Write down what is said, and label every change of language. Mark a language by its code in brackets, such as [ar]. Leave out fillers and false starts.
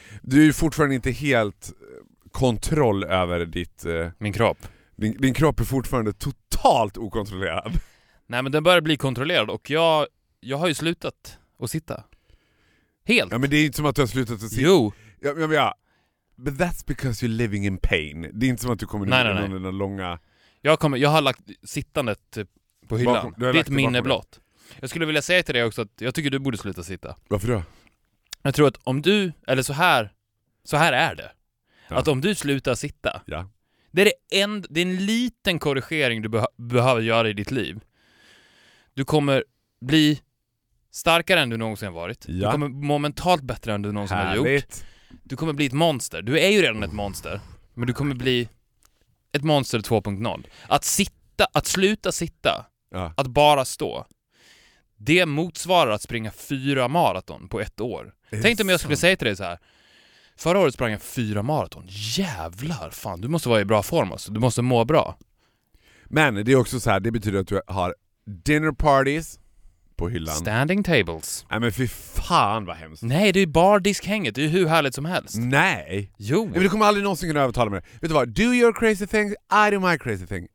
[sv] Du är ju fortfarande inte helt kontroll över ditt... Min kropp. Din kropp är fortfarande totalt okontrollerad. Nej, men den börjar bli kontrollerad och jag har ju slutat att sitta. Helt. Ja, men det är inte som att du har slutat att sitta. Jo. Ja. [en] But that's because you're living in pain. [sv] Det är inte som att du kommer ner under den långa... Jag har lagt sittandet på hyllan. Bakom, det är ett minne blott. Jag skulle vilja säga till dig också att jag tycker du borde sluta sitta. Varför då? Jag tror att om du... Eller så här är det. Ja. Att om du slutar sitta... Ja. Det är en liten korrigering du behöver göra i ditt liv. Du kommer bli starkare än du någonsin varit. Ja. Du kommer må mentalt bättre än du någonsin Härligt. Har gjort. Du kommer bli ett monster. Du är ju redan ett monster. Men du kommer bli ett monster 2.0. Att sluta sitta. Ja. Att bara stå. Det motsvarar att springa 4 maraton på ett år. Tänk om jag skulle säga till dig så här. Förra året sprang jag 4 maraton. Jävlar fan. Du måste vara i bra form alltså. Du måste må bra. Men det är också så här. Det betyder att du har [en] dinner parties [sv] på hyllan. [en] Standing tables. [sv] Nej, men fy fan vad hemskt. Nej, det är ju bara diskhänget. Det är ju hur härligt som helst. Nej. Jo. Men du kommer aldrig någonsin kunna övertala mig. Vet du vad? [en] Do your crazy thing, I do my crazy thing.